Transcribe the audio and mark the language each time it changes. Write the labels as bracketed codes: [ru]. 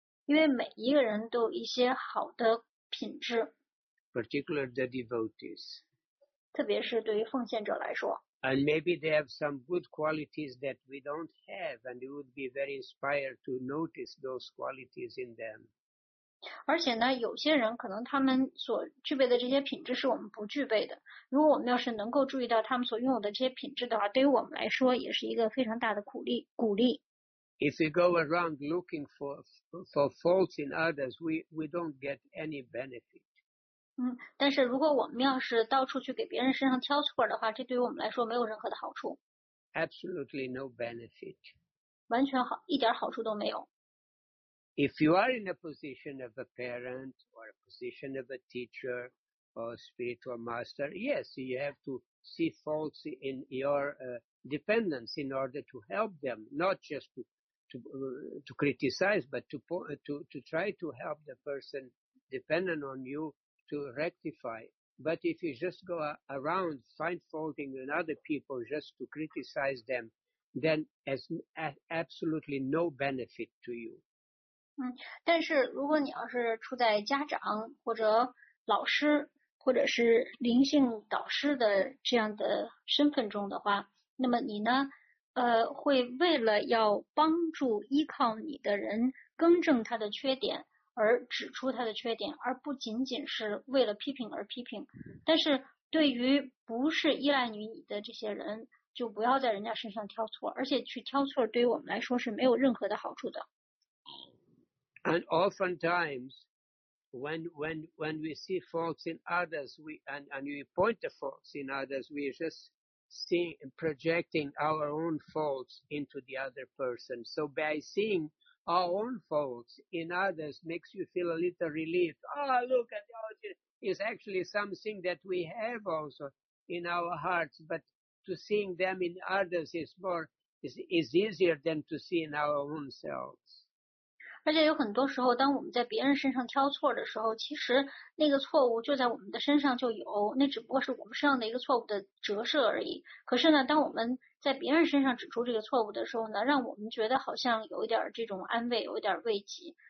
[zh] 因为每一个人都有一些好的品质。 [en] Particularly the devotees. [zh] 特别是对于奉献者来说。 [en] And maybe they have some good qualities that we don't have, and it would be very inspired to notice those qualities in them. [zh] 而且呢，有些人可能他们所具备的这些品质是我们不具备的。如果我们要是能够注意到他们所拥有的这些品质的话，对于我们来说也是一个非常大的鼓励。 [en] If we go around looking for faults in others, we don't get any benefit. [zh] 但是如果我们要是到处去给别人身上挑错的话，这对于我们来说没有任何的好处。 [en] Absolutely no benefit. [zh] 完全好，一点好处都没有。 [en] If you are in a position of a parent or a position of a teacher or a spiritual master, yes, you have to see faults in your dependents in order to help them, not just to criticize, but to try to help the person dependent on youto rectify. But if you just go around find faulting in other people just to criticize them, then has absolutely no benefit to you. [zh] 但是如果你要是处在家长或者老师或者是灵性导师的这样的身份中的话，那么你呢会为了要帮助依靠你的人更正他的缺点而指出他的缺点，而不仅仅是为了批评而批评。但是对于不是依赖于你的这些人，就不要在人家身上挑错，而且去挑错对于我们来说是没有任何的好处的。 [en] And oftentimes, when we see faults in others, and we point the faults in others, we just see projecting our own faults into the other person. So by seeingour own faults in others makes you feel a little relieved. Oh, look at that. It's actually something that we have also in our hearts, but to seeing them in others is easier than to see in our own selves. [zh] 而且有很多时候当我们在别人身上挑错的时候，其实那个错误就在我们的身上就有，那只不过是我们身上的一个错误的折射而已。可是呢，当我们在别人身上指出这个错误的时候呢，让我们觉得好像有一点这种安慰，有一点慰藉。